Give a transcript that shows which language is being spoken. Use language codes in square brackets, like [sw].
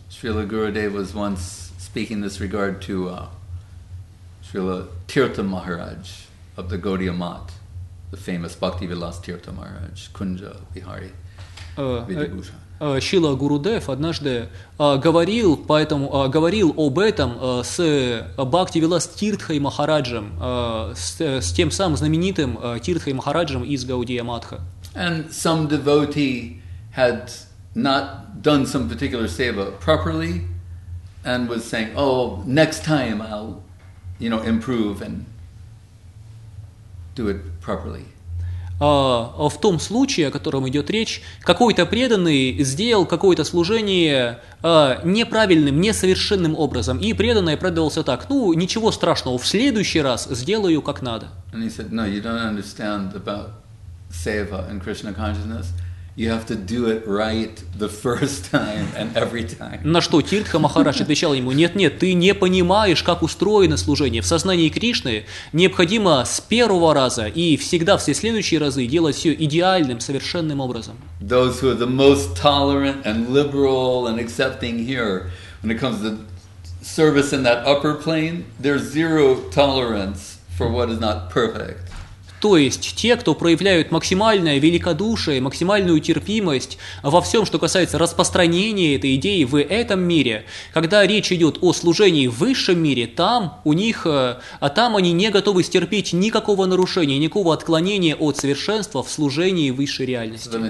[en] Шрила Гурудев was once speaking this regard to Шрила Тирта Махарадж of the Гаудия Мат, the famous Бхакти Вилас Тирта Махарадж, Кунджа Вихари, Видибушан. [ru] Шрила Гурудев однажды говорил об этом с Бхакти Вилас Тиртхой Махараджем, с тем самым знаменитым Тиртхой Махараджем из Гаудия Матха. [en] And some devotee had not done some particular seva properly and was saying, oh, next time I'll, you know, improve and do it properly. [ru] В том случае, о котором идет речь, какой-то преданный сделал какое-то служение неправильным, несовершенным образом, и преданный оправдывался так: ну, ничего страшного, в следующий раз сделаю как надо. [en] And he said, no, you don't understand about seva and Krishna consciousness. You have to do it right the first time and every time. [ru] На что Тиртха Махарадж отвечал ему: нет, ты не понимаешь, как устроено служение. В сознании Кришны необходимо с первого раза и всегда все следующие разы делать все идеальным, совершенным образом. [en] Those who are the most tolerant and liberal and accepting here, when it comes to service in that upper plane, there's zero tolerance for what is not perfect. [ru] То есть те, кто проявляют максимальное великодушие, максимальную терпимость во всем, что касается распространения этой идеи в этом мире, когда речь идет о служении в высшем мире, там у них, а там они не готовы стерпеть никакого нарушения, никакого отклонения от совершенства в служении высшей реальности.